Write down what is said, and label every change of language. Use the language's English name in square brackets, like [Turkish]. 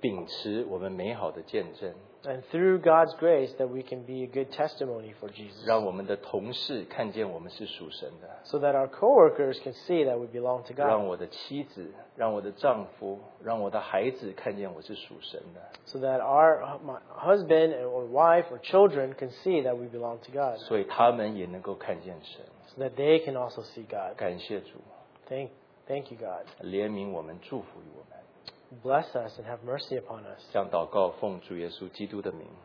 [Chinese] 凭着我们主耶稣基督的恩典，我们可以秉持我们美好的见证。 [English] And through God's grace that we can be a good testimony for Jesus. [Chinese] 让我们的同事看见我们是属神的。 [English] So that our co-workers can see that we belong to God. [Chinese] 让我的妻子，让我的丈夫，让我的孩子看见我是属神的。 [English] So that our my husband or wife or children can see that we belong to God. [Chinese] 所以他们也能够看见神。 [English] So that they can also see God. [Chinese] 感谢主。 [English] Thank you God. [Chinese] 怜悯我们，祝福于我们。 [English] bless us and have mercy upon us. [Chinese] 这样祷告，奉主耶稣基督的名。